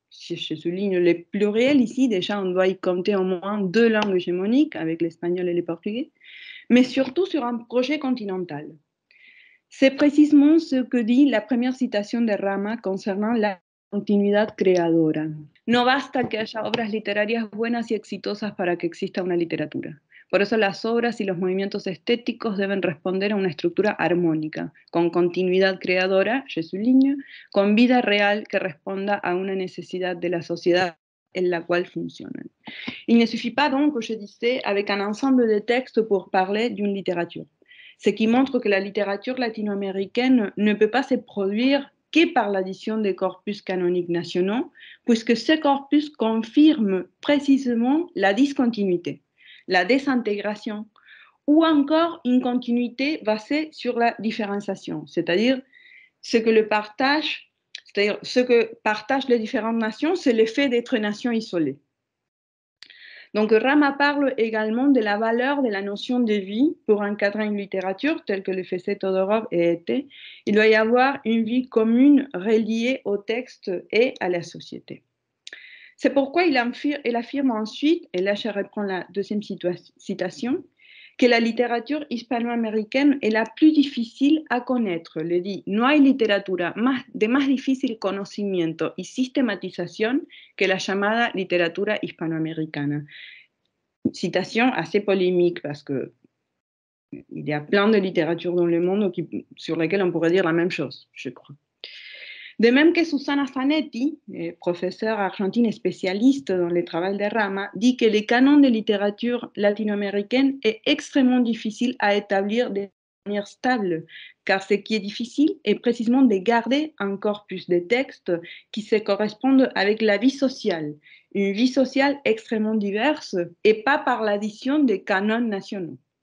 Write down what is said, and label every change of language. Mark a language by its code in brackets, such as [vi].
[fr] Je souligne le pluriel ici, déjà on doit y compter au moins deux langues hégémoniques avec l'espagnol et le portugais, mais surtout sur un projet continental. C'est précisément ce que dit la première citation de Rama concernant la [es] continuidad creadora. No basta que haya obras literarias buenas y exitosas para que exista una literatura. Por eso las obras y los movimientos estéticos deben responder a una estructura armónica, con continuidad creadora, [fr] je souligne, [es] con vida real que responda a una necesidad de la sociedad en la cual funcionan. [fr] Il ne suffit pas donc, je disais, avec un ensemble de textes pour parler d'une littérature. Ce qui montre que la littérature latino-américaine ne peut pas se produire que par l'addition des corpus canoniques nationaux, puisque ce corpus confirme précisément la discontinuité, la désintégration, ou encore une continuité basée sur la différenciation, c'est-à-dire ce que le partage, c'est-à-dire ce que partagent les différentes nations, c'est le fait d'être nations isolées. Donc Rama parle également de la valeur de la notion de vie pour encadrer une littérature telle que le faisait Todorov et Ete. Il doit y avoir une vie commune reliée au texte et à la société. C'est pourquoi il affirme ensuite, et là je reprends la deuxième citation, que la littérature hispano-américaine est la plus difficile à connaître. Il dit [es] « No hay literatura de más difícil conocimiento y sistematización que la llamada literatura hispano-americana ». [fr] Citation assez polémique parce qu'il y a plein de littératures dans le monde sur lesquelles on pourrait dire la même chose, je crois. De même que Susana Fanetti, professeure argentine et spécialiste dans les travaux de Rama, dit que le canon de littérature latino-américaine est extrêmement difficile à établir de manière stable, car ce qui est difficile est précisément de garder un corpus de textes qui se correspondent avec la vie sociale, une vie sociale extrêmement diverse et pas par l'addition des canons nationaux.